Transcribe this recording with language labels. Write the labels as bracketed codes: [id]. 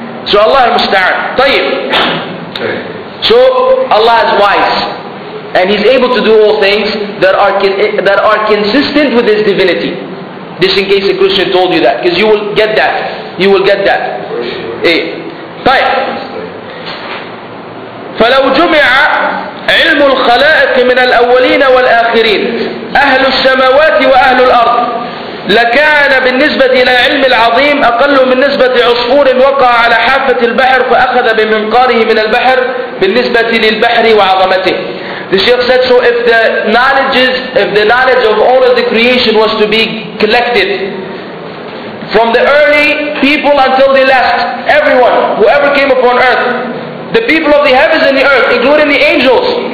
[en] So Allah is musta'an. Tayyib. So Allah is wise and He's able to do all things that are consistent with His divinity. Just in case a Christian told you that, because you will get that. You will get that. Tayyib. [ar] فلو جمع علم الخلائق من الأولين والآخرين أهل السماوات وأهل الأرض لكان بالنسبة إلى علم العظيم أقل من نسبة عصفور وقع على حافة البحر فأخذ بمنقاره من البحر بالنسبة للبحر وعظمته. [en] The Shaykh said, so if the knowledge of all of the creation was to be collected from the early people until the last, everyone, whoever came upon earth, the people of the heavens and the earth, including the angels.